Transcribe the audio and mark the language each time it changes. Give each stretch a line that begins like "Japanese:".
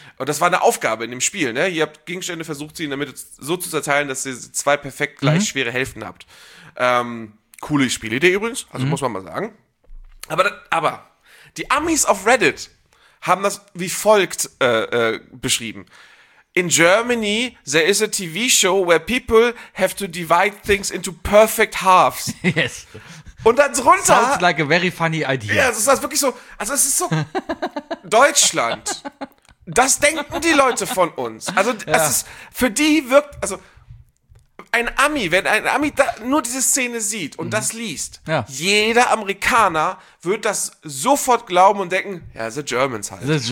German: Und das war eine Aufgabe in dem Spiel, ne? Ihr habt Gegenstände versucht, sie in der Mitte so zu zerteilen, dass ihr zwei perfekt gleich schwere Hälften habt. Coole Spielidee übrigens, also muss man mal sagen. Aber die Amis auf Reddit haben das wie folgt beschrieben.
English: In Germany, there is a TV show where people have to divide things into perfect halves. Yes.
German: Und dann drunter.
English: Sounds like a very funny idea.
German: Ja, das ist wirklich so, also es ist so Deutschland. Das denken die Leute von uns. Also es ist, für die wirkt, also ein Ami, wenn ein Ami da nur diese Szene sieht und das liest, jeder Amerikaner wird das sofort glauben und denken, ja,
English: the Germans
German: halt.